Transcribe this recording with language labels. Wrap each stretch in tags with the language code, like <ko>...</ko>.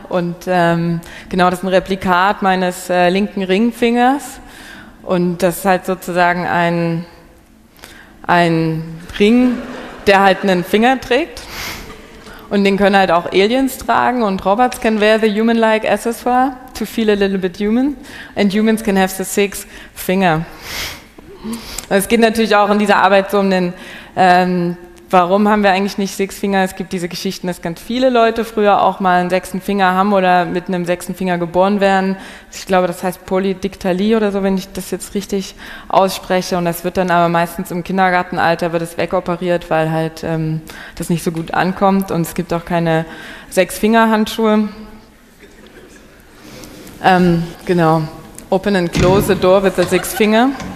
<de>Und genau, das ist ein Replikat meines linken Ringfingers. Und das ist halt sozusagen ein Ring, der halt einen Finger trägt. Und den können halt auch Aliens tragen.</de> <en>Und Robots can wear the human-like accessoire. To feel a little bit human, and humans can have the six finger.</en> <de>Es geht natürlich auch in dieser Arbeit so um den, warum haben wir eigentlich nicht</de> <en>six finger?</en> <de>Es gibt diese Geschichten, dass ganz viele Leute früher auch mal einen sechsten Finger haben oder mit einem sechsten Finger geboren werden. Ich glaube, das heißt Polydiktalie oder so, wenn ich das jetzt richtig ausspreche. Und das wird dann aber meistens im Kindergartenalter wird es wegoperiert, weil halt das nicht so gut ankommt. Und es gibt auch keine Sechs-Finger-Handschuhe. Genau.</de> <en>Open and close the door with the six finger.</en>